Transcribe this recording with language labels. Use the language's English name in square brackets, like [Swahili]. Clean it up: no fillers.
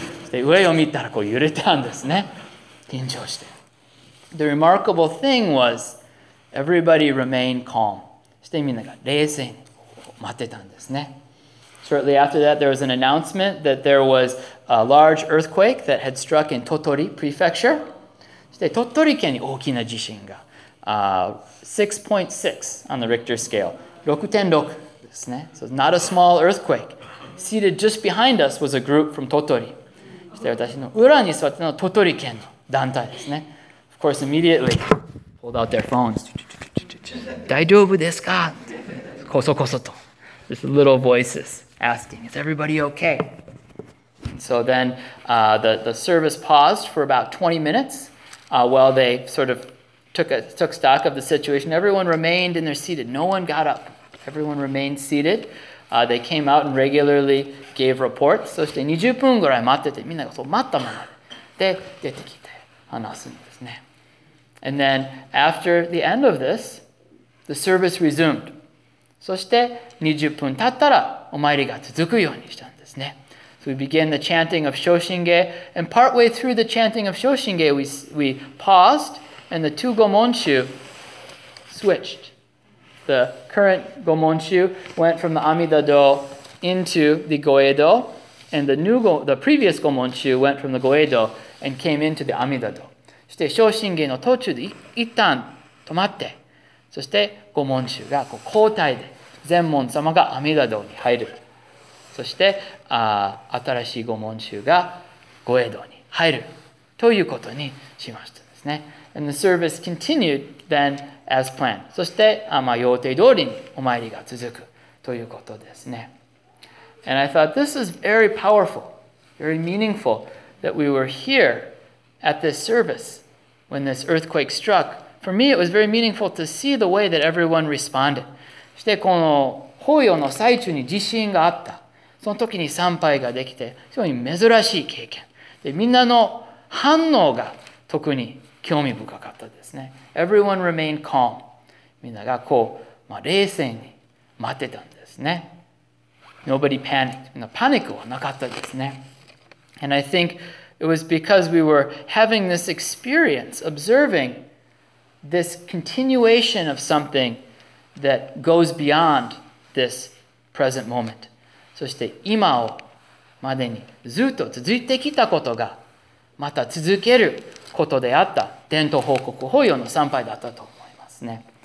[Japanese] で、上を見たらこう揺れたんですね。緊張して。 [English] The remarkable thing was, everybody remained calm. [Japanese] してみんなが冷静に待ってたんですね。 [English] Shortly after that, there was an announcement that there was a large earthquake that had struck in Tottori Prefecture. [Japanese] して鳥取県に大きな地震が、 [English] 6.6 on the Richter scale. 6.6 [Japanese] ですね。 [English] So not a small earthquake. Seated just behind us was a group from Tottori. [Japanese] で私の裏に座ってるのは鳥取県の団体ですね。 [English] Of course, immediately pulled out their phones. [Japanese] 大丈夫ですか？こそこそと。 [English] Just little voices asking, is everybody okay? So then, the service paused for about 20 minutes, while they sort of took stock of the situation. Everyone remained in their seated. No one got up. Everyone remained seated. They came out and regularly gave reports. [Japanese] そして20分ぐらい待ってて、みんながそう待ったままで出てきて話すんですね。 [English] And then after the end of this, the service resumed. [Japanese] そして20分経ったらお参りが続くようにしたんですね。 [English] So we began the chanting of Shoshinge, and partway through the chanting of Shoshinge, we paused, and the two gomonshu switched. The current Gomonshu went from the Amida-do into the Goedo, and the previous Gomonshu went from the Goedo and came into the Amida-do. [Japanese] そして昇進芸の途中で一旦止まって、そして Gomonshu が交代で禅門様が Amida-do に入る。そして新しい Gomonshu が Goedo に入るということにしましたですね。 [English] And the service continued then as planned. [Japanese] そして、まあ、予定通りにお参りが続くということですね。 [English] And I thought, this is very powerful, very meaningful, that we were here at this service when this earthquake struck. For me, it was very meaningful to see the way that everyone responded. [Japanese] そして、この法要の最中に地震があった。その時に参拝ができて、非常に珍しい経験。で、みんなの反応が特に興味深かったですね。 [English] Everyone remained calm. [Japanese] みんながこう、まあ、冷静に待ってたんですね。 [English] Nobody panicked. [Japanese] みんなパニックはなかったですね。 [English] And I think it was because we were having this experience, observing this continuation of something that goes beyond this present moment. [Japanese] そして今をまでにずっと続いてきたことがまた続けることであった。伝統報告法要の参拝だったと思いますね。